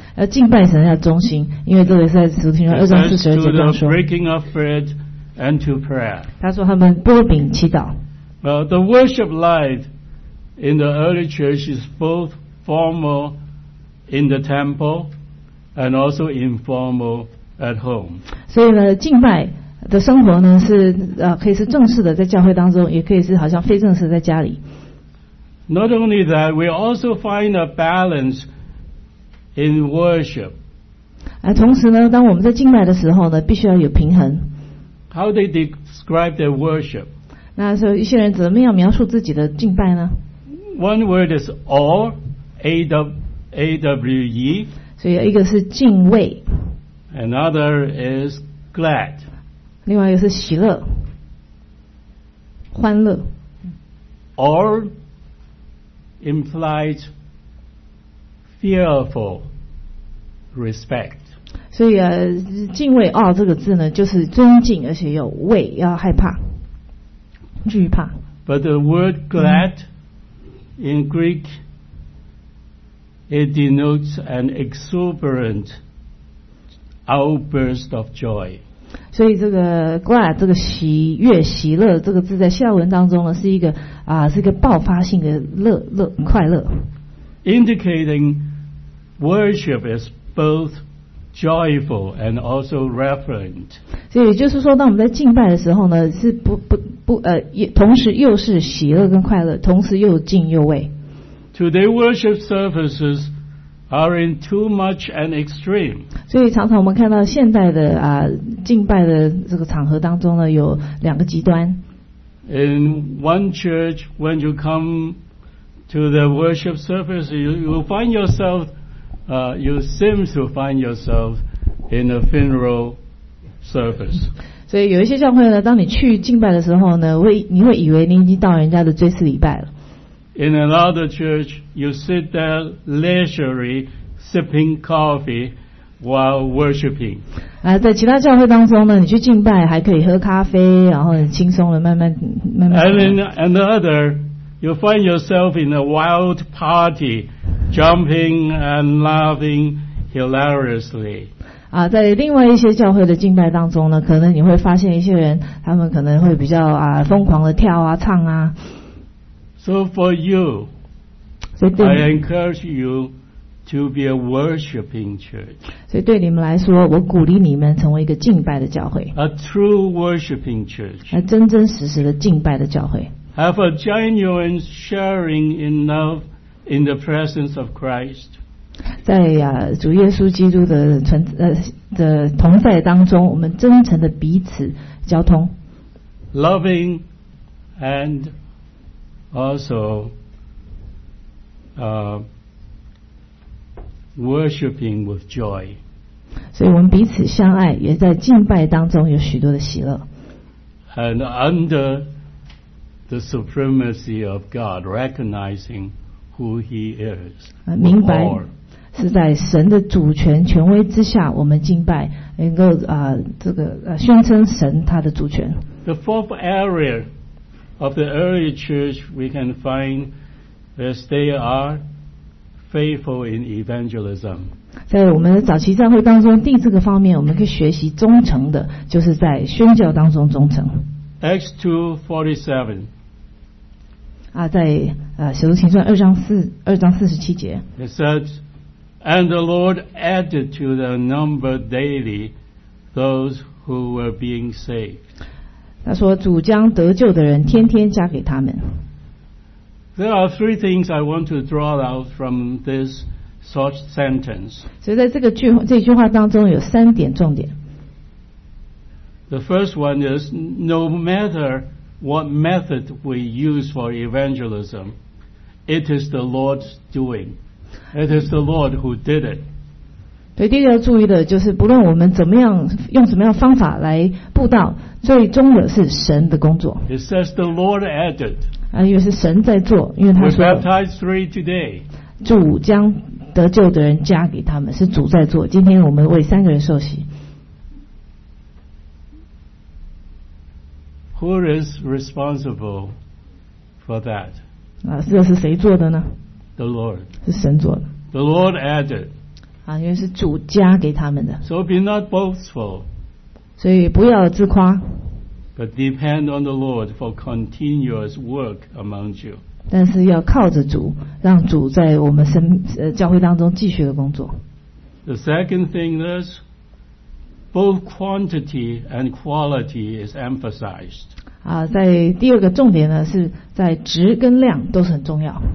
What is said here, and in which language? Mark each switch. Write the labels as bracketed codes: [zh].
[zh] 敬拜神要忠心，因为这个在使徒行传二章四十二节这样说。 [en] Breaking of bread and to prayer. [zh] 他说他们擘饼祈祷。 [en] The worship life in the early church is both formal in the temple and also informal at home. [zh] 所以呢，敬拜的生活呢是可以是正式的在教会当中，也可以是好像非正式在家里。 [en] Not only that, we also find a balance. In worship, [zh] 同时呢，当我们在敬拜的时候呢，必须要有平衡。 [en] How they describe their worship? [zh] 那时候一些人怎么样描述自己的敬拜呢 [en] ？One word is awe, a w e. [zh] 所以一个是敬畏。 [en] Another is glad. [zh] 另外一个是喜乐，欢乐。 [en] Awe implies. Fearful respect. [zh] 所以敬畏哦这个字呢就是尊敬而且有畏要害怕惧怕。 [en] But the word glad in Greek, it denotes an exuberant outburst of joy. [zh] 所以这个 glad, 这个喜悦喜乐这个字在希腊文当中呢是一个是一个爆发性的乐快乐。 [en] Indicating,Worship is both joyful and also reverent. [zh] 所以就是说，当我们在敬拜的时候呢，是同时又是喜乐跟快乐，同时又敬又畏。 [en] Today worship services are in too much an extreme. [zh] 所以常常我们看到现代的敬拜的这个场合当中呢，有两个极端。 [en] In one church, when you come to the worship service, you will find yourself. You seem to find yourself in a funeral service. [zh] 所以有一些教会呢，当你去敬拜的时候呢，你会以为你已经到人家的追思礼拜了。 [en] In another church, you sit there leisurely sipping coffee while worshiping. [zh] 在其他教会当中呢，你去敬拜还可以喝咖啡，然后很轻松的慢慢。 [en] And in another, you find yourself in a wild party. Jumping and laughing hilariously. [zh] 在另外一些教会的敬拜当中呢，可能你会发现一些人，他们可能会比较疯狂的跳啊，唱啊。 [en] So for you, I encourage you to be a worshiping church. [zh] 所以对你们来说，我鼓励你们成为一个敬拜的教会。 [en] A true worshiping church. [zh] 真真实实的敬拜的教会。 [en] Have a genuine sharing in love. In the presence of Christ, [zh] 在主耶稣基督的同在当中，我们真诚的彼此交通 [en] ，loving and also worshiping with joy. [zh] 所以我们彼此相爱，也在敬拜当中有许多的喜乐。 [en] And under the supremacy of God, recognizing. Who he is, [zh] 明白是在神的主权权威之下，我们敬拜，能够宣称神他的主权。 [en] The fourth area of the early church we can find is they are faithful in evangelism. [zh] 在我们的早期教会当中，第四个方面，我们可以学习忠诚的，就是在宣教当中忠诚。 [en] Acts 2:47. [zh] 在使徒行传二章四十七节。 [en] It says, "And the Lord added to the number daily those who were being saved." [zh] 他说，主将得救的人天天加给他们。 [en] There are three things I want to draw out from this. Such sentence. [zh] 所以在这句话当中有三点重点。 [en] The first one is no matter what method we use for evangelism, it is the Lord's doing. It is the Lord who did it. [zh] 对，第一个要注意的就是不论我们怎么样用什么样方法来布道，最终的是神的工作。 [en] It says the Lord added. [zh] 啊，因为是神在做，因为他说。 [en] We baptized three today. [zh] 主将得救的人加给他们，是主在做。今天我们为三个人受洗。 [en] Who is responsible for that？ [zh] 啊，这是谁做的呢 [en] ？The Lord [zh] 是神做的。 [en] The Lord added [zh] 啊，因为是主加给他们的。 [en] So be not boastful， [zh] 所以不要自夸。 [en] But depend on the Lord for continuous work among you。 [zh] 但是要靠着主，让主在我们教会当中继续的工作。 [en] The second thing is, both quantity and quality is emphasized. [zh] 啊，在第二个重点呢，是在质跟量都是很重要。